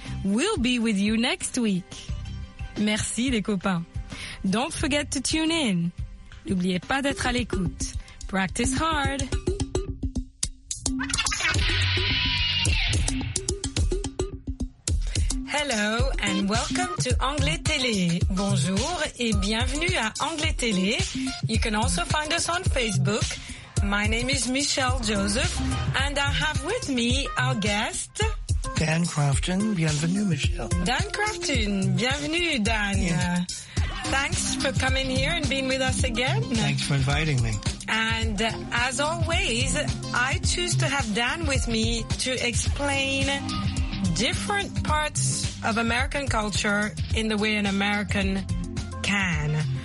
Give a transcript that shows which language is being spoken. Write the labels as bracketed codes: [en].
[en] We'll be with you next week. [fr] Merci, les copains. [en] Don't forget to tune in. [fr] N'oubliez pas d'être à l'écoute. [en] Practice hard. Hello and welcome to Anglais Télé. [fr] Bonjour et bienvenue à Anglais Télé. [en] You can also find us on Facebook. My name is Michelle Joseph, and I have with me our guest... [fr] Dan Crafton. Bienvenue, Michelle. Dan Crafton. Bienvenue, Dan. [en] Yes. Thanks for coming here and being with us again. Thanks for inviting me. And as always, I choose to have Dan with me to explain different parts of American culture in the way an American can.